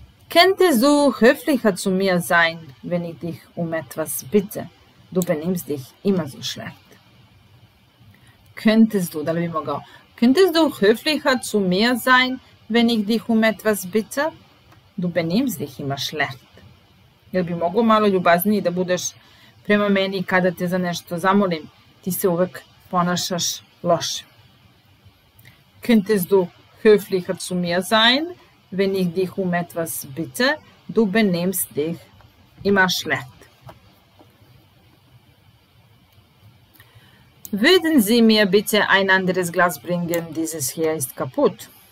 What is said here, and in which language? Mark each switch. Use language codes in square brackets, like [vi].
[de] Könntest du höflicher zu mir sein, wenn ich dich um etwas bitte? Du benimmst dich immer so schlecht. Könntest du, dann wie könntest du höflicher zu mir sein, wenn ich dich um etwas bitte? Du benimmst dich immer schlecht. [sr] Jel bi mogao malo ljubazniji da budeš prema meni kada te za nešto zamolim, ti se uvek ponašaš loše. [de] Könntest du höflicher zu mir sein? Wenn ich dich um etwas bitte, du benimmst dich immer schlecht. Würden Sie mir bitte ein anderes Glas bringen? Dieses hier ist kaputt.